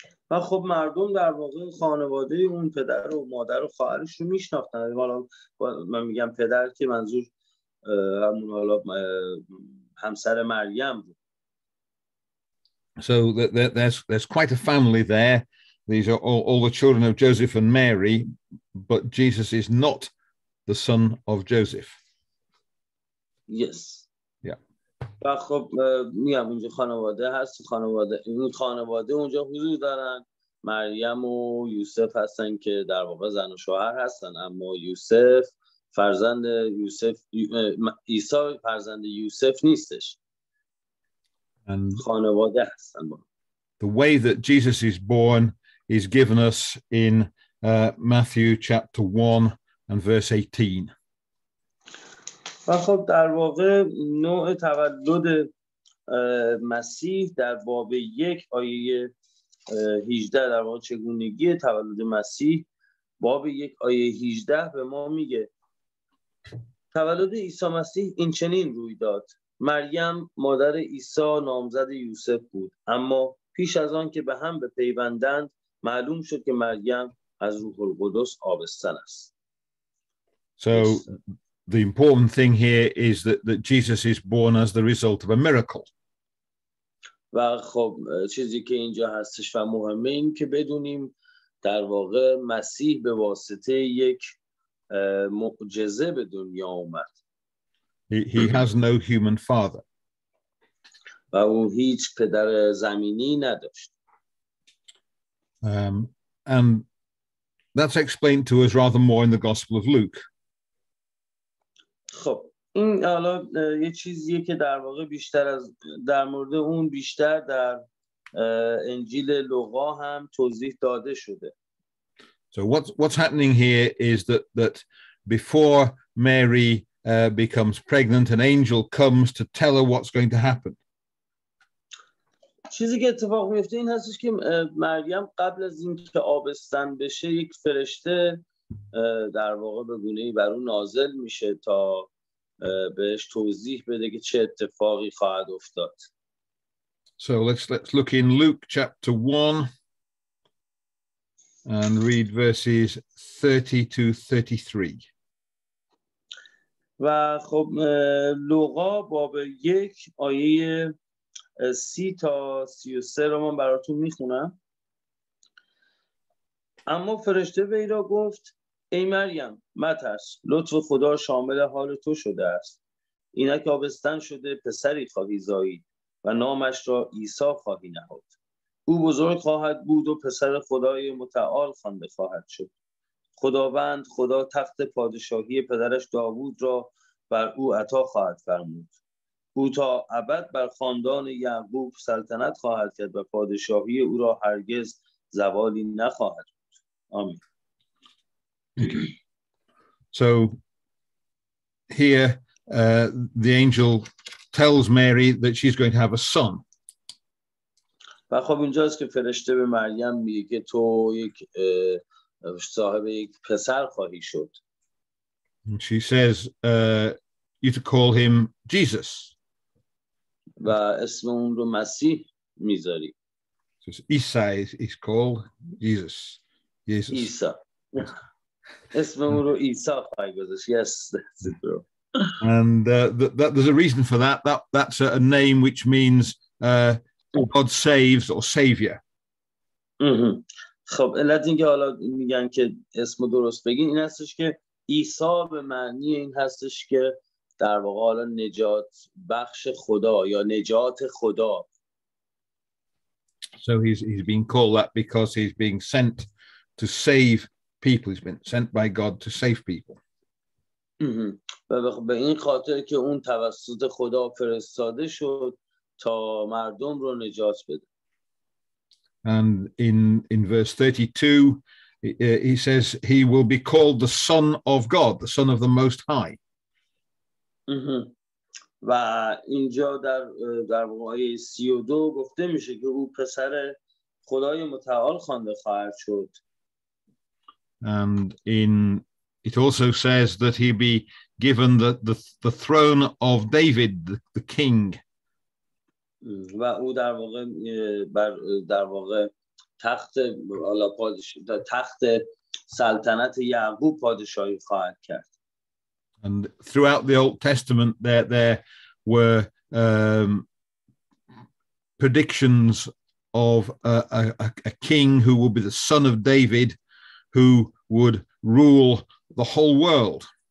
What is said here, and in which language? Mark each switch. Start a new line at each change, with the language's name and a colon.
Persian: و خب مردم در واقع خانواده اون پدر و مادر و خواهرش رو میشناختن. حالا من میگم پدر که منظور همون حالا همسر مریم بود.
English: So there's quite a family there. These are all the children of Joseph and Mary, but Jesus is not the son of Joseph. Yes. Yeah.
Persian: و خب میگم اینجا خانواده هست، خانواده اونجا حضور دارن. مریم و یوسف هستن که در واقع زن و شوهر هستن، اما یوسف فرزند یوسف عیسی فرزند یوسف نیستش.
English: And
Persian: خانواده هستن.
English: The way that Jesus is born is given us in Matthew chapter 1 and verse 18.
Persian: و خب در واقع نوع تولد مسیح در باب 1 آیه 18 در واقع چگونگی تولد مسیح باب 1 آیه 18 به ما میگه تولد عیسی مسیح این چنین روی داد. مریم مادر عیسی نامزد یوسف بود، اما پیش از آن که به هم بپیوندند معلوم شد که مریم از روح القدس آبستن است.
English: So the important thing here is that Jesus is born as the result of a miracle.
Persian: و خب چیزی که اینجا هستش و مهمه این که بدونیم در واقع مسیح به واسطه یک معجزه به دنیا اومد.
English: He has no human father.
Persian: و او هیچ پدر زمینی نداشت.
English: And that's explained to us rather more in the Gospel of Luke.
Persian: خب این حالا یه چیزیه که در واقع بیشتر از در مورد اون بیشتر در انجیل لوقا هم توضیح داده شده.
English: So what's happening here is that before Mary becomes pregnant, an angel comes to tell her what's going to happen.
Persian: چیزی که اتفاق میفته این هستش که مریم قبل از اینکه آبستن بشه یک فرشته در واقع به گونه‌ای بر او نازل میشه تا بهش توضیح بده که چه اتفاقی خواهد افتاد.
English: So let's look in Luke chapter 1 and read verses 30 to 33.
Persian: و خب لوقا باب 1 آیه 30 تا 33 رو من براتون میخونم. اما فرشته وی را گفت ای مریم مترس، لطف خدا شامل حال تو شده است، اینک آبستن شده پسری خواهی زایید و نامش را عیسی خواهی نهاد. او بزرگ خواهد بود و پسر خدای متعال خوانده خواهد شد. خداوند خدا تخت پادشاهی پدرش داوود را بر او عطا خواهد فرمود. او تا ابد بر خاندان یعقوب سلطنت خواهد کرد و پادشاهی او را هرگز زوالی نخواهد بود. آمین.
English: So here the angel tells Mary that she's going to have a son.
Persian: و خب اینجاست که فرشته به مریم میگه تو یک صاحب یک پسر خواهی شد.
English: And she says, you to call him Jesus.
Persian: و اسم اون رو مسیح میذاری.
English: So Isai is called Jesus. Jesus. Isa.
Persian: اسم اون رو ایسا خواهی گذاشت.
English: Yes, that's it, bro. And that there's a reason for that. That's a name which means God saves or savior.
Persian: خب علت اینکه حالا میگن که اسمو درست بگین این هستش که ایسا به معنی این هستش که در واقع حالا نجات بخش خدا یا نجات خدا.
English: So he's being called that because he's being sent to save people. He's been sent by God to save people.
Persian: و به این خاطر که اون توسط خدا فرستاده شد تا مردم رو نجات بده.
English: And in verse 32, he says he will be called the Son of God, the Son of the Most High.
Persian: و اینجا در واقعی 32 گفته میشه که او پسر خدای متعال خوانده خواهد شد.
English: And in it also says that he'd be given the throne of David, the king.
Persian: و او در واقع بر در واقع تخت حالا پادشاه تخت سلطنت یعقوب پادشاهی خواهد کرد.
English: And throughout the Old Testament there were predictions of a king who would be the son of David who would rule the whole world.